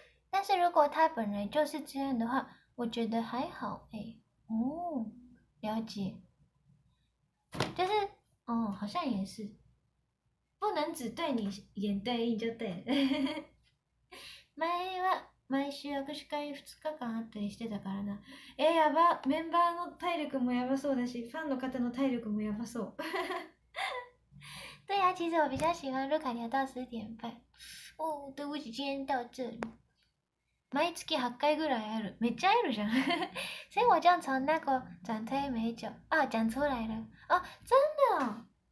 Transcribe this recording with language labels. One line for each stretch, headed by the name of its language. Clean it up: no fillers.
Chinese: 但是如果他本来就是这样的话，我觉得还好哎、欸。哦，了解。就是，哦，好像也是。不能只对你眼对眼就对了。
Japanese: 前は毎週握手会2日間あったりしてたからな。え、やば。メンバーの体力もやばそうだし、ファンの方の体力もやばそう。
Chinese: 对呀、啊，其实我比较喜欢卢卡尼亚到十点半。哦，对不起，今天到这里。
Japanese: 毎月8回ぐらいある。めっちゃあるじゃん。
Chinese: 所以我就从那个转推美酒啊，讲出来了。哦，真的、哦。